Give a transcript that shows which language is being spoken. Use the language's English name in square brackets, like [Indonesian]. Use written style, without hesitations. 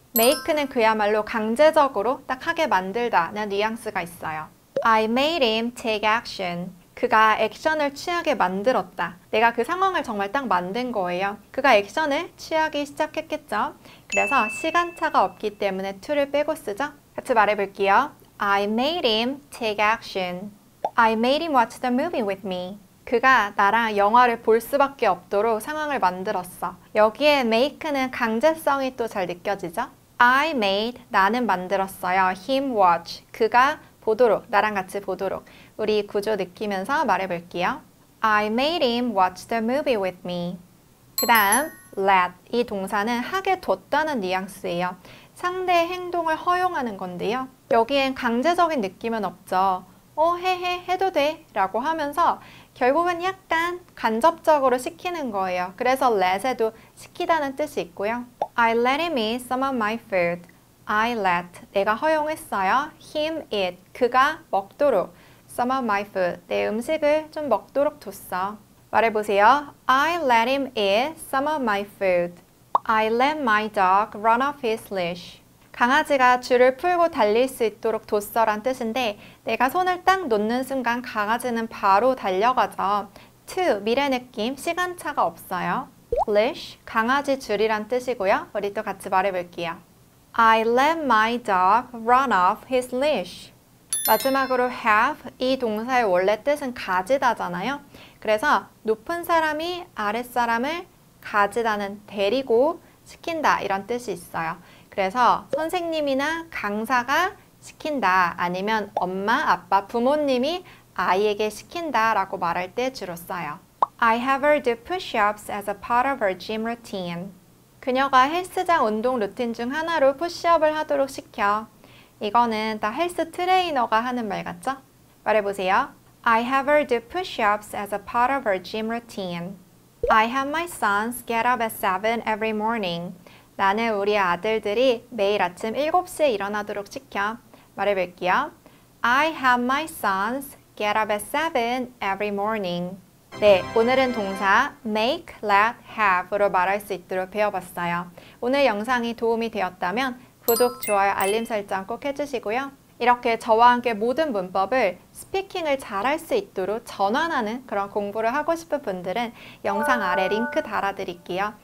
[Korean] make는 그야말로 강제적으로 딱 하게 만들다는 뉘앙스가 있어요. [English] I made him take action. [Korean] 그가 액션을 취하게 만들었다. 내가 그 상황을 정말 딱 만든 거예요. 그가 액션을 취하기 시작했겠죠? 그래서 시간차가 없기 때문에 to를 빼고 쓰죠? 같이 말해볼게요. [English] I made him take action. I made him watch the movie with me. [Korean] 그가 나랑 영화를 볼 수밖에 없도록 상황을 만들었어. 여기에 make는 강제성이 또잘 느껴지죠? [English] I made, [Korean] 나는 만들었어요. [English] him watch. [Korean] 그가 보도록, 나랑 같이 보도록. 우리 구조 느끼면서 말해볼게요. [English] I made him watch the movie with me. [Korean] 그 다음, let. 이 동사는 하게 뒀다는 뉘앙스예요. 상대의 행동을 허용하는 건데요. 여기엔 강제적인 느낌은 없죠. 해도 돼. 라고 하면서 결국은 약간 간접적으로 시키는 거예요. 그래서 let에도 시키다는 뜻이 있고요. [English] I let him eat some of my food. I let. [Korean] 내가 허용했어요. [English] him it. [Korean] 그가 먹도록. [English] some of my food. [Korean] 내 음식을 좀 먹도록 줬어. 말해보세요. [English] I let him eat some of my food. I let my dog run off his leash. [Korean] 강아지가 줄을 풀고 달릴 수 있도록 뒀어란 뜻인데, 내가 손을 딱 놓는 순간 강아지는 바로 달려가죠. to. 미래 느낌. 시간차가 없어요. leash. 강아지 줄이란 뜻이고요. 우리 또 같이 말해볼게요. [English] I let my dog run off his leash. [Korean] 마지막으로 have 이 동사의 원래 뜻은 가지다잖아요. 그래서 높은 사람이 아랫사람을 가지다는 데리고 시킨다 이런 뜻이 있어요. 그래서 선생님이나 강사가 시킨다 아니면 엄마, 아빠, 부모님이 아이에게 시킨다라고 말할 때 주로 써요. [English] I have her do push-ups as a part of her gym routine. [Korean] 그녀가 헬스장 운동 루틴 중 하나로 푸시업을 하도록 시켜. 이거는 다 헬스 트레이너가 하는 말 같죠? 말해보세요. [English] I have her do push-ups as a part of her gym routine. I have my sons get up at 7 every morning. [Korean] 나는 우리 아들들이 매일 아침 7시에 일어나도록 시켜. 말해볼게요. [English] I have my sons get up at 7 every morning. [Korean] 네, 오늘은 동사 make, let, have으로 말할 수 있도록 배워봤어요. 오늘 영상이 도움이 되었다면 구독, 좋아요, 알림 설정 꼭 해주시고요. 이렇게 저와 함께 모든 문법을 스피킹을 잘할 수 있도록 전환하는 그런 공부를 하고 싶은 분들은 영상 아래 링크 달아드릴게요.